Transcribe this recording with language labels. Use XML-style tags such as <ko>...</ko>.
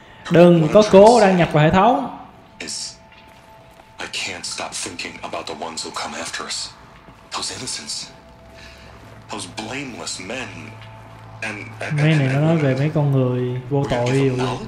<vi>Đừng có cố đăng nhập vào hệ thống.</vi> <en>I can't stop thinking about the ones who come after us. Those innocents. Those blameless men.</en> <vi>Mấy này nó nói về mấy con người vô tội rồi.</vi>